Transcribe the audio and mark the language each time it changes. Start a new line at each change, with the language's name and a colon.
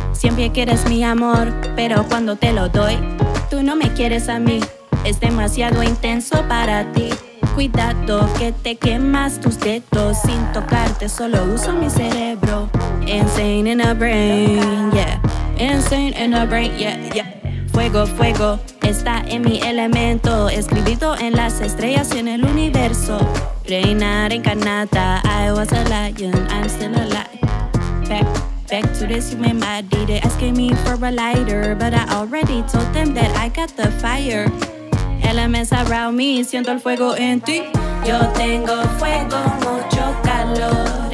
Spanish: Siempre quieres mi amor, pero cuando te lo doy, tú no me quieres a mí. Es demasiado intenso para ti. Cuidado que te quemas tus dedos sin tocarte. Solo uso mi cerebro.
English: Insane in a brain, yeah. Insane in a brain, yeah, yeah.
Spanish: Fuego, fuego, está en mi elemento. Escribido en las estrellas y en el universo. Reina reencarnada,
English: I was a lion, I'm still alive. back to this human body. They asking me for a lighter, but I already told them that I got the fire. Elements around me,
Spanish: siento el fuego en ti. Yo tengo fuego, mucho calor.